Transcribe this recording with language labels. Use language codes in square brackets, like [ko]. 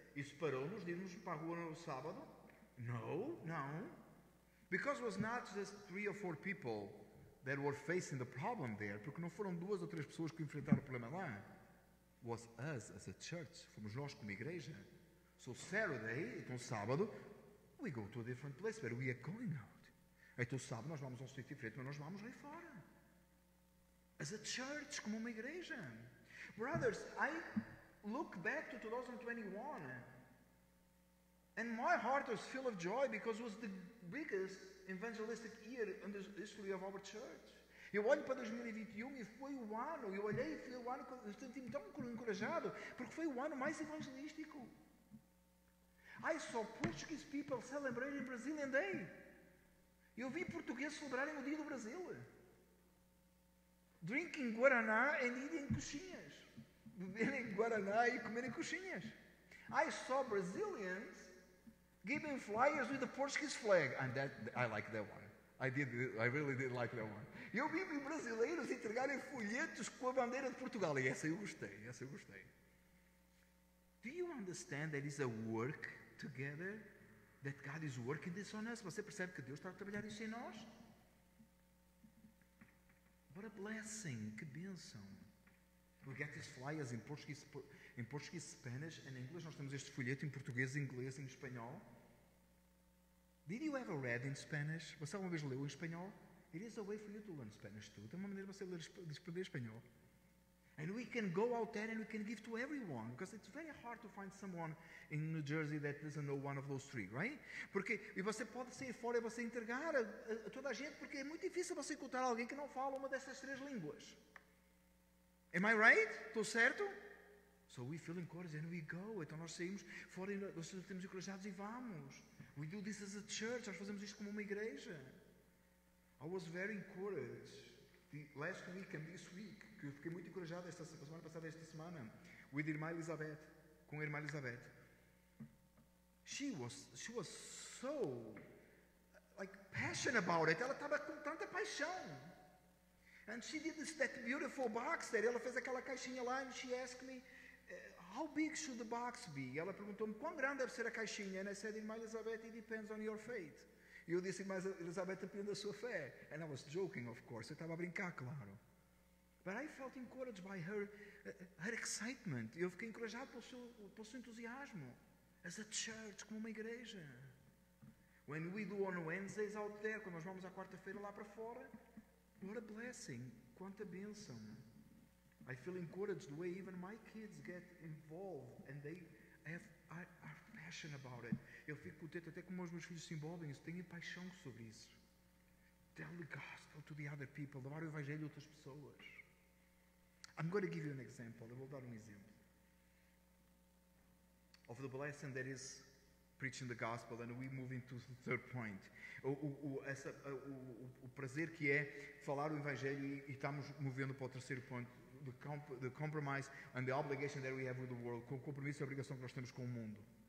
[pt] Isso parou-nos de irmos para a rua no sábado? [en] No. Because it was not just three or four people that were facing the problem there, [pt] porque não foram duas ou três pessoas que enfrentaram o problema lá. [en] Was us as a church. [pt] Fomos nós como igreja. [en] So Saturday, [pt] então sábado, [en] we go to a different place where we are going out. [pt] Então sábado nós vamos a um sítio diferente, mas nós vamos lá fora. [en] As a church, [pt] como uma igreja. [en] Brothers, I look back to 2021 and my heart was full of joy because it was the biggest evangelistic year in the history of our church. [pt] Eu olho para 2021 e foi o ano, eu olhei e foi o ano, eu senti-me tão encorajado porque foi o ano mais evangelístico. [en] I saw Portuguese people celebrating Brazilian Day. [pt] Eu vi portugueses celebrarem o Dia do Brasil. [en] Drinking Guaraná and eating coxinhas. [pt] Beberem Guaraná e comerem coxinhas. [en] I saw Brazilians giving flyers with the Portuguese flag. And that, I like that one. I really did like that one. [pt] Eu vi brasileiros entregarem folhetos com a bandeira de Portugal. E essa eu gostei, essa eu gostei. [en] Do you understand that it's a work together? That God is working this on us? [pt] Você percebe que Deus está a trabalhar isso em nós? [en] What a blessing, [pt] que bênção. [en] We get these flyers in Portuguese, Spanish and English. [pt] Nós temos este folheto em português, inglês e em espanhol. [en] Did you ever read in Spanish? [pt] Você alguma vez leu em espanhol? [en] It is a way for you to learn Spanish too. [pt] Tem uma maneira de você ler, de aprender espanhol. [en] And we can go out there and we can give to everyone. Because it's very hard to find someone in New Jersey that doesn't know one of those three, right? [pt] Porque e você pode sair fora e você entregar a toda a gente, porque é muito difícil você encontrar alguém que não fala uma dessas três línguas. [en] Am I right? [pt] Estou certo? [en] So we feel encouraged and we go. [pt] Então nós saímos fora e nós estamos encorajados e vamos. [en] We do this as a church. [pt] Nós fazemos isto como uma igreja. [en] I was very encouraged the last week and this week. [pt] Que eu fiquei muito encorajado esta semana passada, esta semana, with irmã Elizabeth, com a irmã Elizabeth. [en] She was so like passionate about it. [pt] Ela estava com tanta paixão. [en] And she did this, that beautiful box there. [pt] Ela fez aquela caixinha lá [en] and she asked me, how big should the box be? [pt] Ela perguntou-me, quão grande deve ser a caixinha? [en] And I said, irmã Elizabeth, it depends on your faith. [pt] E eu disse, irmã Elizabeth, depende da sua fé. [en] And I was joking, of course. [pt] Eu estava a brincar, claro. [en] But I felt encouraged by her excitement. [pt] Eu fiquei encorajado pelo seu entusiasmo. [en] As a church, [pt] como uma igreja. [en] When we do on Wednesdays out there, [pt] quando nós vamos à quarta-feira lá para fora, [en] what a blessing, [pt] quanta bênção. [en] I feel encouraged the way even my kids get involved and they are passionate about it. [pt] Eu fico contente até como os meus filhos se envolvem, eles têm paixão sobre isso. [en] Tell the gospel to the other people, [pt] levar o evangelho a outras pessoas. [en] I'm going to give you an example. [pt] Eu vou dar um exemplo. [en] Of the blessing that is preaching the gospel, and we move into the third point. [pt] O prazer que é falar o evangelho e estamos movendo para o terceiro ponto. [en] The compromise and the obligation that we have with the world. [pt] O compromisso e a obrigação que nós temos com o mundo.